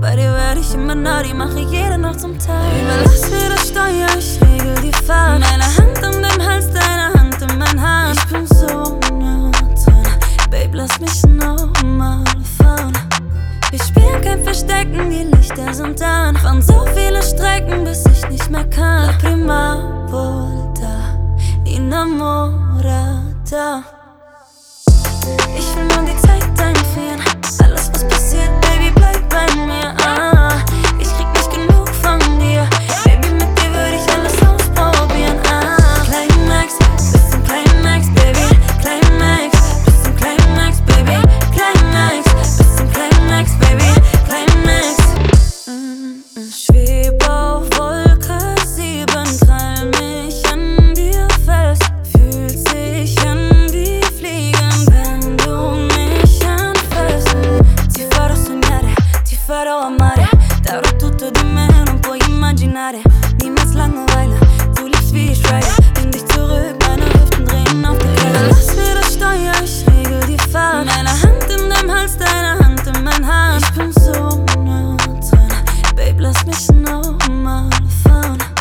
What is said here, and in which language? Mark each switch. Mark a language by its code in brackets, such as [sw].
[de] Bei dir werd ich immer nah, die mach ich jede Nacht zum Teil. Überlass mir das Steuer, ich regel die Fahrt. Meine Hand um dem Hals, deine Hand in mein Haar. Ich bin so monoton, Babe, lass mich nochmal fahren. Wir spielen kein Verstecken, die Lichter sind an. Fahren so viele Strecken, bis ich nicht mehr kann. [it] La prima volta, innamorata. [de] Ich will nur die Zeit einfrieren. Alles, was passiert, Baby, bleib bei mir. Ich krieg nicht genug von dir. Baby, mit dir würde ich alles ausprobieren. Climax, bisschen Climax, Baby. Climax, bisschen Climax, Baby. Climax, bisschen Climax, Baby. Climax. Schweb auf Wolke 7, krall mich an dir fest. Fühlt sich an wie Fliegen, wenn du mich anfasst. [it] Ti farò sognare, ti farò amare. Darò tutto di me, non puoi immaginare. [de] Niemals Langeweile, du liebst wie ich schreie. Bring dich zurück, meine Hüften drehen auf die Kette. Lass mir das Steuer, ich regel die Fahrt. Meine Hand in deinem Hals, deine Hand in mein Haar. Ich bin so monoton, Babe, lass mich nochmal fahren.